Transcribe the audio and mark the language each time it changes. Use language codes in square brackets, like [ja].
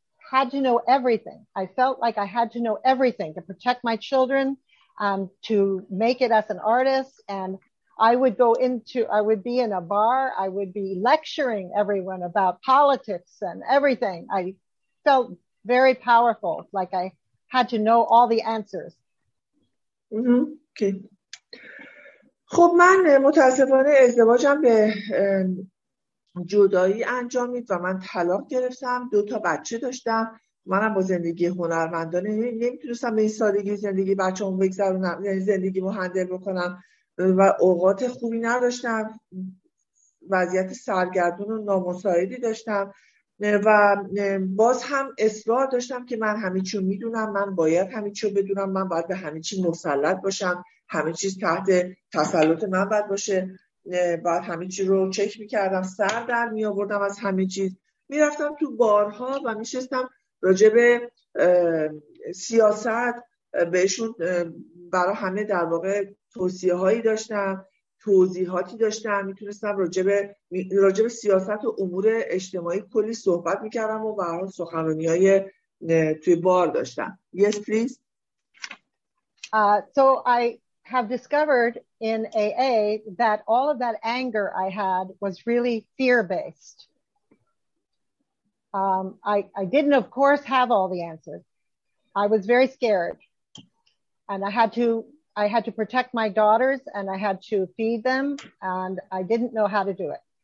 [en] had to know everything. I felt like I had to know everything to protect my children, to make it as an artist. And I would be in a bar. I would be lecturing everyone about politics and everything. I felt very powerful, like I had to know all the answers. Okay. [fa] خب من متاسفانه ازدواجم به جدایی انجامید و من طلاق گرفتم، دو تا بچه داشتم. منم با زندگی هنرمندان نمیتونستم به این سادگی زندگی بچه‌مو بگذرونم، زندگی رو هندل بکنم و اوقات خوبی نداشتم، وضعیت سرگردون و نامساعدی داشتم و باز هم اصرار داشتم که من همه چی رو میدونم، من باید همه چی رو بدونم، من باید به همه چی مسلط باشم، همه چیز تحت تسلط من باید باشه. باید همه چی رو چک میکردم، سر در میآوردم از همه چیز، میرفتم تو بارها و میشستم راجع به سیاست بهشون برای همه در واقع توصیه هایی داشتم، توضیحاتی داشتم، میتونستم راجع به سیاست و امور اجتماعی کلی صحبت میکردم و برای سخنرانی های توی بار داشتم. [en] Yes, please. So I have discovered in AA that all of that anger I had was really fear-based. I didn't, of course, have all the answers. I was very scared, and I had to protect my daughters, and I had to feed them, and I didn't know how to do it.